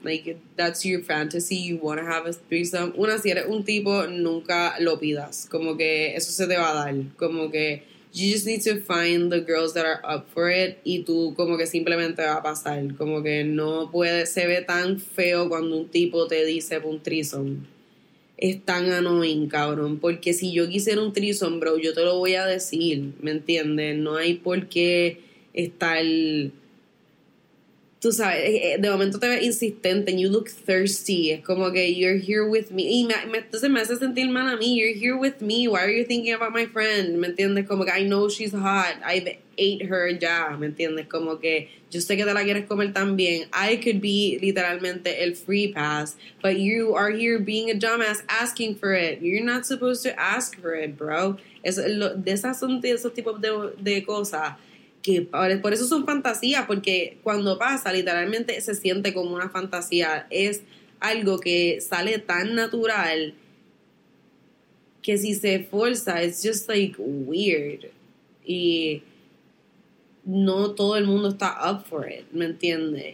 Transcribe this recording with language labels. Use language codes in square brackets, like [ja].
[en] Like, that's your fantasy, you want to have a threesome. [es] Una, si eres un tipo, nunca lo pidas. Como que eso se te va a dar. Como que [en] you just need to find the girls that are up for it. [es] Y tú como que simplemente va a pasar. Como que no puede. Se ve tan feo cuando un tipo te dice un threesome. Es tan annoying, cabrón. Porque si yo quisiera un threesome, bro, yo te lo voy a decir. ¿Me entiendes? No hay por qué estar, tú sabes, de momento te ves insistente. [en] And you look thirsty. [es] Es como que [en] you're here with me. [es] Y entonces me hace sentir mal a mí. [en] You're here with me. Why are you thinking about my friend? [es] ¿Me entiendes? Como que [en] I know she's hot. I've ate her ya. [es] ¿Me entiendes? Como que yo sé que te la quieres comer también. [en] I could be [es] literalmente el [en] free pass. But you are here being a dumbass asking for it. You're not supposed to ask for it, bro. [es] Esos tipos de cosas. Que por eso son fantasías, porque cuando pasa, literalmente se siente como una fantasía. Es algo que sale tan natural que si se esfuerza, [en] it's just like weird. [es] Y no todo el mundo está [en] up for it, [es] ¿me entiendes?